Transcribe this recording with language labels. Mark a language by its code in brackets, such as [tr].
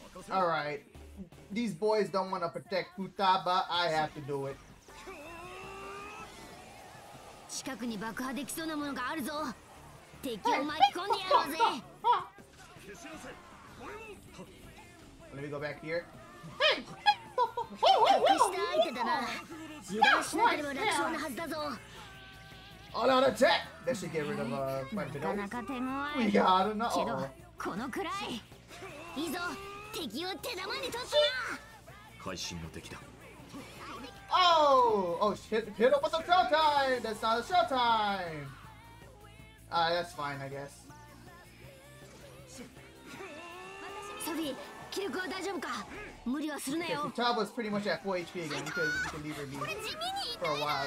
[en] All right, these boys don't want to protect Futaba. I have to do it. [ja] 近くに爆破できそうなものがあるぞ。敵を巻き込んでやろうぜ。 [en] Let me go back here. Hey! Hey! Hey! Hey! Hey! Hey! Hey! Hey! Hey! Hey! Hey! Hey! Hey! All out attack! That should get rid of quite a bit of this. We got another. [ja] このくらい。いいぞ。敵を手玉に取ったな。会心の敵だ。 [en] Oh, hit up with the show time. That's not a show time. That's fine, I guess. [ja] ソフィー、気力は大丈夫か？無理はするなよ。タブは [en] pretty much at 4 HP again because you can leave her be for a while.